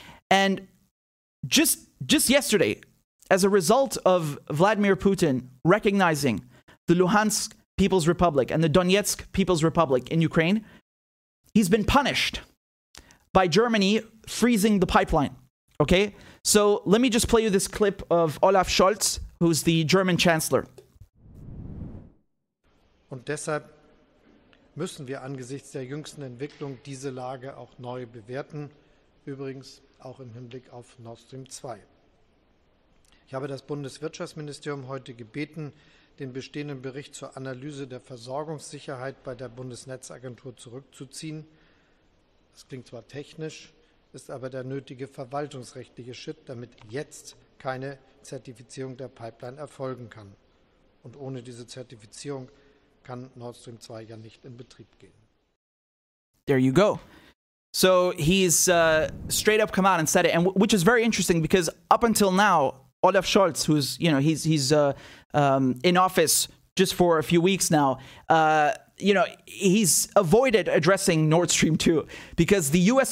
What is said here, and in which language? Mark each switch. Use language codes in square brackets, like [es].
[en] And just yesterday, as a result of Vladimir Putin recognizing the Luhansk People's Republic and the Donetsk People's Republic in Ukraine, he's been punished by Germany freezing the pipeline, okay? So let me just play you this clip of Olaf Scholz, who's the German chancellor. [de] Und deshalb müssen wir angesichts der jüngsten Entwicklung diese Lage auch neu bewerten, übrigens auch im Hinblick auf Nord Stream 2. Ich habe das Bundeswirtschaftsministerium heute gebeten, den bestehenden Bericht zur Analyse der Versorgungssicherheit bei der Bundesnetzagentur zurückzuziehen. Das klingt zwar technisch, ist aber der nötige verwaltungsrechtliche Schritt, damit jetzt keine Zertifizierung der Pipeline erfolgen kann. Und ohne diese Zertifizierung kann Nord Stream 2 ja nicht in Betrieb gehen. [en] There you go. So he's straight up come out and said it, and which is very interesting because up until now, Olaf Scholz, who's, you know, he's in office just for a few weeks now, you know, he's avoided addressing Nord Stream 2 because the U.S.